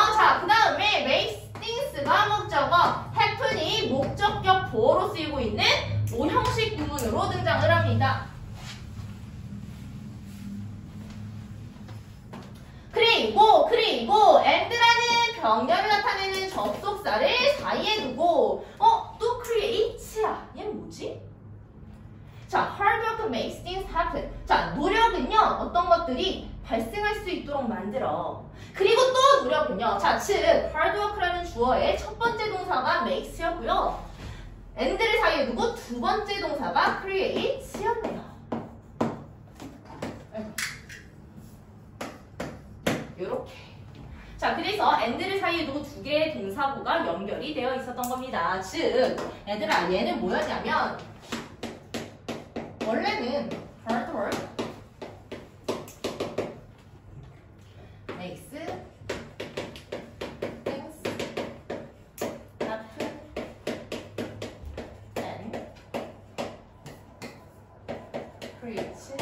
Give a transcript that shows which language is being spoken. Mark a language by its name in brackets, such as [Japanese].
[Korean] 자, 그 다음에 makes things가 목적어, happen이 목적격 보어로 쓰이고 있는 5형식 구문으로 등장을 합니다. 그리고 and라는 변경을 나타내는 접속사를 사이에 두고 어? 또 create야. 얘는 뭐지? [English] 자, hard work makes things happen. [Korean] 자, 노력은요, 어떤 것들이 발생할 수 있도록 만들어. 그리고 또 노력은요, 자, 즉 hard work라는 주어의 첫 번째 동사가 makes였고요, and를 사이에 두고 두 번째 동사가 create였네요. 요렇게. 자, 그래서 and를 사이에 두고 두 개의 동사구가 연결이 되어 있었던 겁니다. 즉, 얘들아, 얘는 뭐였냐면 원래는 [English] hard work makes things happen and create.